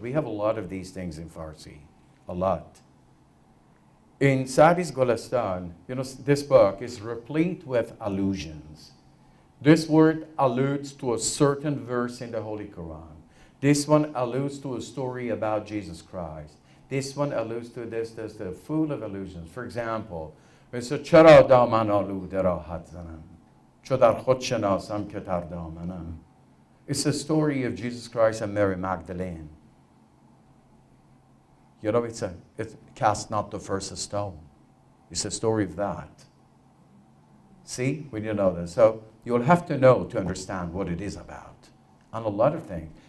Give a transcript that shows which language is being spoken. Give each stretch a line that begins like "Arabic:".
English: We have a lot of these things in Farsi, a lot. In Sa'di's Golestan, you know, this book is replete with allusions. This word alludes to a certain verse in the Holy Quran. This one alludes to a story about Jesus Christ. This one alludes to this, the full of allusions. For example, it's a
Persian: چرا دامن آلوده را حد زنم چو در خود شناسم که تر دامنم.
English: It's a story of Jesus Christ and Mary Magdalene. You know, it's cast not the first stone. It's a story of that. See, we need to know this. So you'll have to know to understand what it is about. And a lot of things.